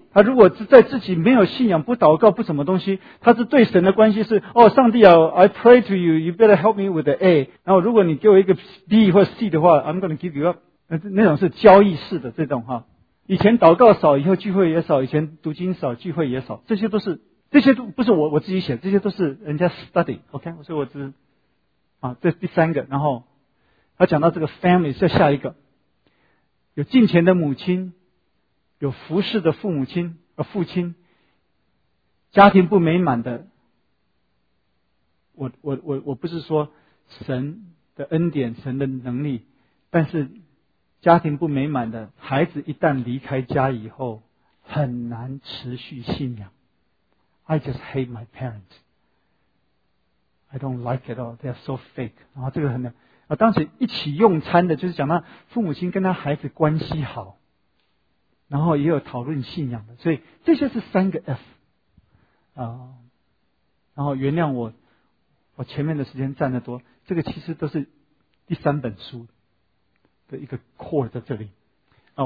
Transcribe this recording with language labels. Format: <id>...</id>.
<zh>他如果是在自己没有信仰、不祷告、不什么东西，他是对神的关系是，哦，上帝啊 ，</zh> <en>I pray to you, you better help me with the A。</en> <zh>然后如果你给我一个 B 或 C 的话 ，</zh> <en>I'm going to give you up。</en> <zh>那种是交易式的这种哈，以前祷告少，以后聚会也少；以前读经少，聚会也少。这些都是，这些都不是我自己写的，这些都是人家 study。 OK， 所以我只啊，这第三个，然后他讲到这个 family， 再下一个，有敬虔的母亲。有服侍的父母亲和父亲，家庭不美满的，我不是说神的恩典、神的能力，但是家庭不美满的孩子一旦离开家以后，很难持续信仰。</zh> <en>I just hate my parents. I don't like it all. They are so fake.</en> <zh>然后这个很难啊。当时一起用餐的，就是讲到父母亲跟他孩子关系好。然后也有讨论信仰的，所以这些是三个 F 啊。然后原谅我前面的时间占得多，这个其实都是第三本书的一个 core 在这里啊。</zh>